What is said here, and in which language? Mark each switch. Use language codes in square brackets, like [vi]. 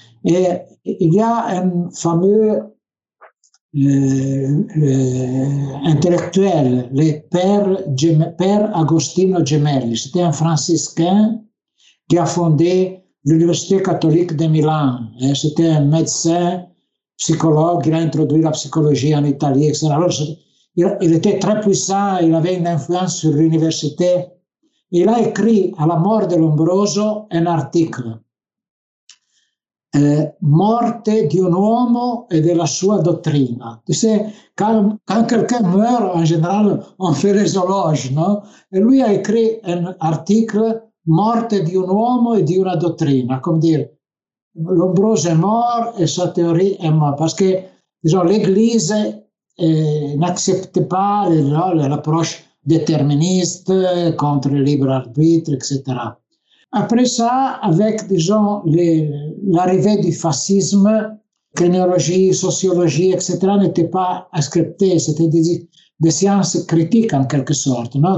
[fr] Et il y a un fameux intellectuel, le père Agostino Gemelli, c'était un franciscain qui a fondé l'Université catholique de Milan. C'était un médecin, psychologue, il a introduit la psychologie en Italie, etc. Alors, il était très puissant, il avait une influence sur l'université. Il a écrit, à la mort de Lombroso, un article. [it] Morte di un uomo e della sua dottrina. [fr] Tu sais, quand quelqu'un meurt, en général, on fait les éloges, non? [it] E lui ha [fr] écrit un article, [it] morte di un uomo e di una dottrina. Come dire, Lombroso è mort e [fr] sa théorie [it] è mort. [fr] Parce que, disons, l'Église n'accepte pas l'approche déterministe contre le libre arbitre, etc. Après ça, avec disons, l'arrivée du fascisme, criminologie, sociologie, etc., n'était pas acceptée, c'était des sciences critiques en quelque sorte, non?